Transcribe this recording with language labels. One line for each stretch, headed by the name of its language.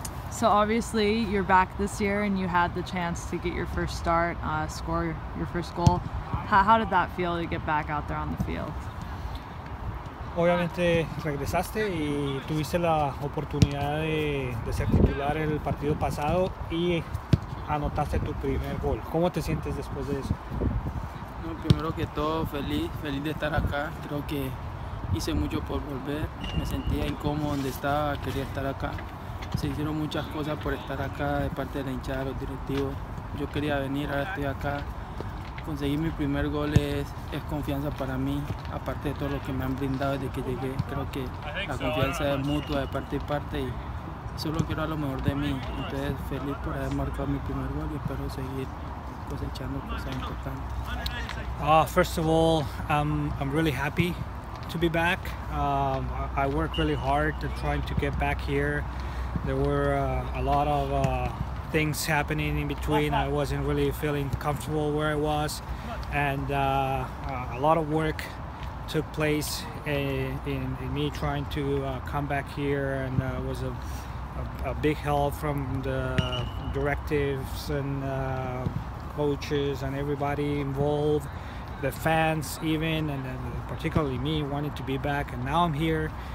English: So obviously you're back this year and you had the chance to get your first start, score your first goal. How did that feel to get back out there on the field?
Spanish: Obviamente regresaste y tuviste la oportunidad de ser titular el partido pasado y anotaste tu primer gol. ¿Cómo te sientes después de eso? No, primero que todo, feliz de estar acá. Creo que hice mucho por volver. Me sentía incómodo donde estaba, quería estar acá. Se hicieron muchas cosas por estar acá de parte de la hinchada, los directivos. Yo quería venir, ahora estoy acá. Conseguir mi primer gol es confianza para mí, aparte de todo lo que me han brindado desde que llegué. Creo que la confianza es mutua de parte y parte y solo quiero a lo mejor de mí. Entonces, feliz por haber marcado mi primer gol y espero seguir cosechando cosas importantes.
English: First of all, I'm really happy to be back. I work really hard to trying to get back here. There were a lot of things happening in between. I wasn't really feeling comfortable where I was, and a lot of work took place in me trying to come back here, and it was a big help from the directives and coaches and everybody involved, the fans even, and then particularly me wanted to be back, and now I'm here.